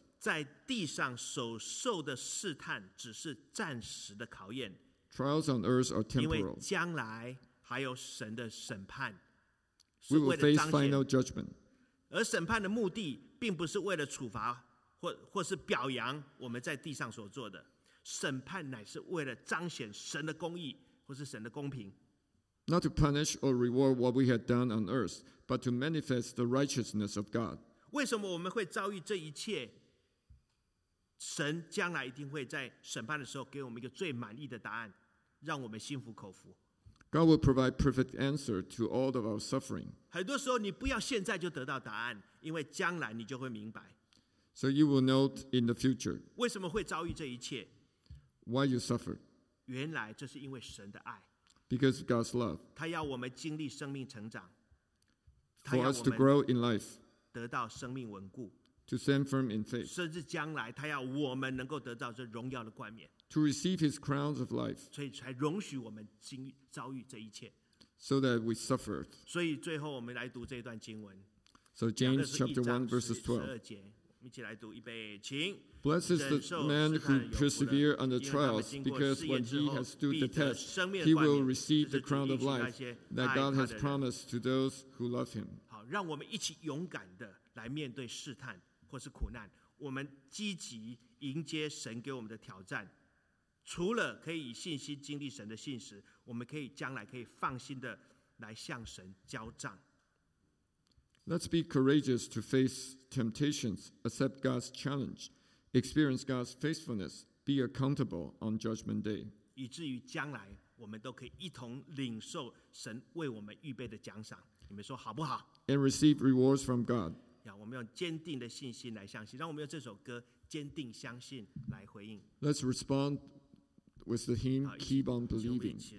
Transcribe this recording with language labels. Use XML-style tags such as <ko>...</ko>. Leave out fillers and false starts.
<zh>在地上所受的试探只是暂时的考验。</zh> <en>Trials on earth are temporal.</en> <zh>因为将来还有神的审判。</zh> <en>We will face final judgment.</en> <zh>而审判的目的并不是为了处罚 或是表扬我们在地上所做的。审判乃是为了彰显神的公义或是神的公平。</zh> <en>Not to punish or reward what we had done on earth, but to manifest the righteousness of God.</en> <zh>为什么我们会遭遇这一切？神将来一定会在审判的时候给我们一个最满意的答案，让我们心服口服。</zh> <en>God will provide perfect answer to all of our suffering.</en> <zh>很多时候你不要现在就得到答案，因为将来你就会明白。</zh> <en>So you will know in the future.</en> <zh>为什么会遭遇这一切？</zh> <en>Why you suffer?</en> <zh>原来这是因为神的爱。</zh> <en>Because of God's love.</en> <zh>他要我们经历生命成长。</zh> <en>For us to grow in life.</en> <zh>得到生命稳固。</zh> <en>To stand firm in faith.</en> <zh>甚至将来他要我们能够得到这荣耀的冠冕。</zh> <en>To receive his crowns of life.</en> <zh>所以才容许我们经遭遇这一切。</zh> <en>So that we suffered.</en> <zh>所以最后我们来读这段经文。</zh> <en>So James chapter 1 verses 12.</en> <zh>我们一起来读，预备，请。</zh> <en>Blessed is the man who persevere under trials, because when he has stood the test, he will receive the crown of life that God has promised to those who love him.</en> <zh>好，让我们一起勇敢的来面对试探或是苦难，我们积极迎接神给我们的挑战。除了可以以信心经历神的信实，我们可以将来可以放心的来向神交账。</zh> <en>Let's be courageous to face temptations, accept God's challenge, experience God's faithfulness, be accountable on Judgment Day.</en> <zh>以至于将来我们都可以一同领受神为我们预备的奖赏。你们说好不好？</zh> <en>And receive rewards from God.</en> <zh>让我们用坚定的信心来相信，让我们用这首歌坚定相信来回应。</zh> <en>Let's respond with the hymn, Keep on Believing.</en>